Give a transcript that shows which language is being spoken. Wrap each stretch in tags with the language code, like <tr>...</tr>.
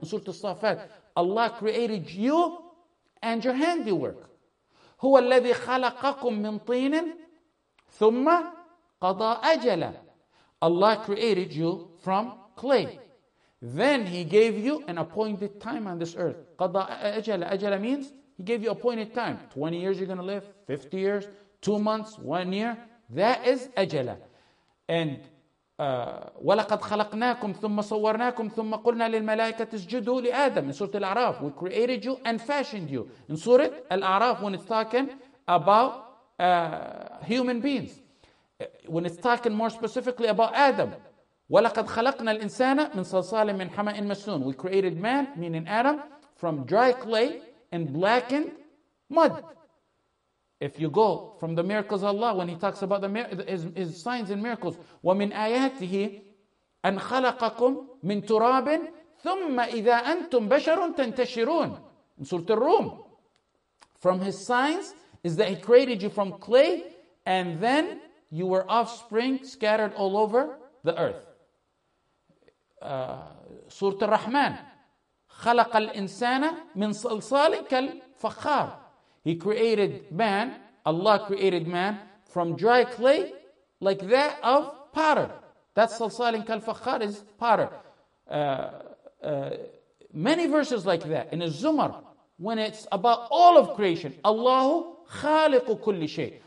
<en>In Surah الصافات, Allah created you and your handiwork.</en> <ar>هو الذي خلقكم من طين ثم قضى أجلا.</ar> <en>Allah created you from clay. Then He gave you an appointed time on this earth.</en> <ar>قضى أجلا.</ar> <en>أجلا means He gave you appointed time. 20 years you're going to live, 50 years, 2 months, 1 year. That is أجلا. And</en> <ar>ولقد خلقناكم ثم صورناكم ثم قلنا للملائكة اسجدوا لآدم.</ar> <en>In Surah Al-A'raf, we created you and fashioned you. In Surah Al-A'raf, when it's talking about human beings, when it's talking more specifically about Adam,</en> <ar>وَلَقَدْ خَلَقْنَا الْإِنسَانَ مِنْ صَلْصَالٍ مِنْ حَمَإٍ مَسْنُونَ.</ar> <en>We created man, meaning Adam, from dry clay and blackened mud. If you go from the miracles of Allah, when He talks about His signs and miracles,</en> <ar>وَمِنْ آيَاتِهِ أَنْ خَلَقَكُمْ مِنْ تُرَابٍ ثُمَّ إِذَا أَنْتُمْ بَشَرٌ تَنْتَشِرُونَ.</ar> <en>In Surah Al-Rum, from His signs is that He created you from clay and then you were offspring scattered all over the earth. Surah Ar-Rahman,</en> <ar>خلق الإنسان من صلصال كالفخار.</ar> <en>He created man, Allah created man, from dry clay like that of potter. That</en> <ar>صلصال كالفخار</ar> <en>is potter. Many verses like that in Az-Zumar, when it's about all of creation,</en> <ar>الله خالق كل شيء.</ar>